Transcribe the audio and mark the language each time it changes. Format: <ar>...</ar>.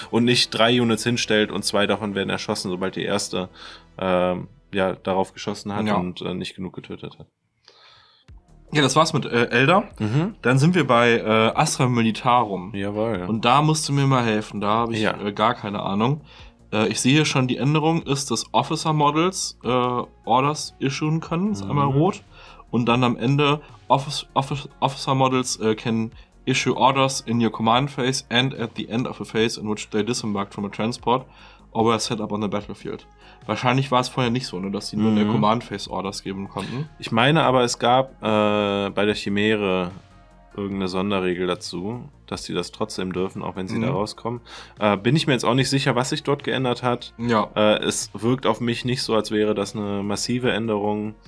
<de>Und nicht 3 Units hinstellt und 2 davon werden erschossen, sobald die erste darauf geschossen hat und nicht genug getötet hat. Ja, das war's mit Elder. Mhm. Dann sind wir bei Astra Militarum. Jawohl. Und da musst du mir mal helfen. Da habe ich gar keine Ahnung. Ich sehe hier schon, die Änderung ist, dass Officer Models Orders issuen können. Ist einmal rot. Und dann am Ende</de> <en>Officer Models can issue orders in your command phase and at the end of a phase in which they disembarked from a transport or were set up on the battlefield.</en> <de>Wahrscheinlich war es vorher nicht so, ne, dass sie nur in der Command Phase Orders geben konnten. Ich meine aber, es gab bei der Chimäre irgendeine Sonderregel dazu, dass sie das trotzdem dürfen, auch wenn sie da rauskommen. Bin ich mir jetzt auch nicht sicher, was sich dort geändert hat. Ja. Es wirkt auf mich nicht so, als wäre das eine massive Änderung.</de>